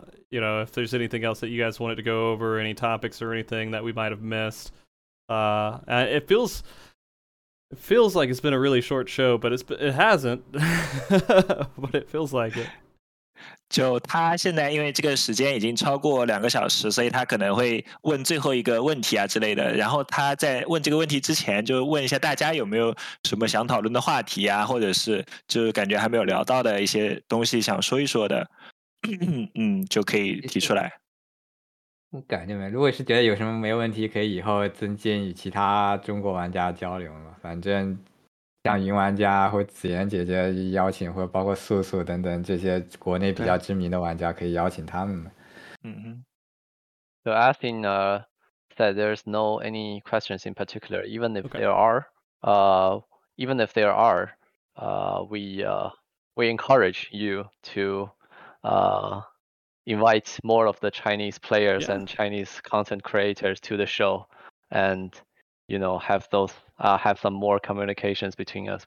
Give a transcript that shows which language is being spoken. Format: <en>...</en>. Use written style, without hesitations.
<en>You know, if there's anything else that you guys wanted to go over, any topics or anything that we might have missed. It feels like it's been a really short show, but it hasn't. But it feels like it.</en> <zh>就他现在因为这个时间已经超过两个小时，所以他可能会问最后一个问题啊之类的。然后他在问这个问题之前，就问一下大家有没有什么想讨论的话题啊，或者是就感觉还没有聊到的一些东西想说一说的。就可以提出来。感觉没，如果是觉得有什么没问题，可以以后增进与其他中国玩家交流嘛。反正像云玩家或紫妍姐姐邀请，或包括素素等等这些国内比较知名的玩家，可以邀请他们。嗯哼。</zh> <en>So I think that there's no any questions in particular. Even if there are, we encourage you to. Invite more of the Chinese players and Chinese content creators to the show, and you know, have those have some more communications between us.</en>